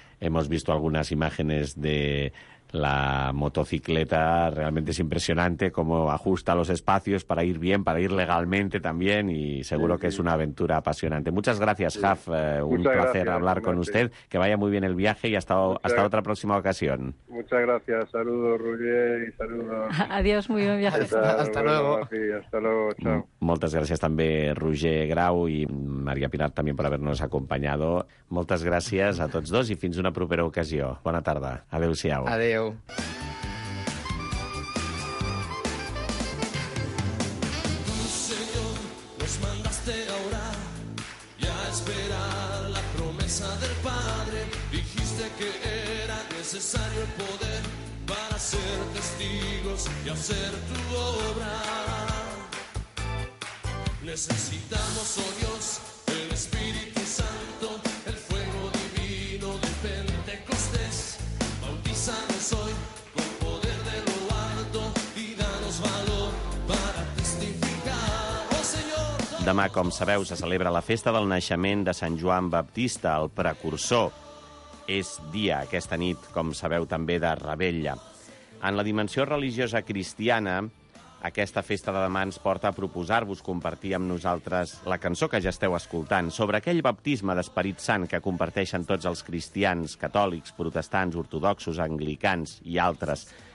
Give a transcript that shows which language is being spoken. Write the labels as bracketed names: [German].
[Spanish] Hemos visto algunas imágenes de la motocicleta, realmente es impresionante cómo ajusta los espacios para ir bien, para ir legalmente también, y seguro sí, que sí, es una aventura apasionante. Muchas gracias, sí, Haf. Un muchas placer gracias, hablar con usted. Que vaya muy bien el viaje y hasta otra próxima ocasión. Muchas gracias. Saludos, Roger, y saludos. Adiós, muy buen viaje. Hasta luego. Chao. [Catalan] Moltes gràcies també, Roger Grau i Maria Pilar, també per haver-nos acompanyat. Moltes gràcies a tots dos i fins una propera ocasió. Bona tarda. Adéu-siau. Adéu. [Spanish] Necesitamos, oh Dios, el Espíritu Santo, el fuego divino de Pentecostés. Bautízanos hoy con poder de lo alto y danos valor para testificar. Oh Señor. [Catalan] Demà, com sabeu, se celebra la festa del naixement de Sant Joan Baptista, el precursor. És dia aquesta nit, com sabeu, també de revetlla. En la dimensió religiosa cristiana, aquesta festa de demà ens porta a proposar-vos compartir amb nosaltres la cançó que ja esteu escoltant sobre aquell baptisme d'Esperit Sant que comparteixen tots els cristians, catòlics, protestants, ortodoxos, anglicans i altres.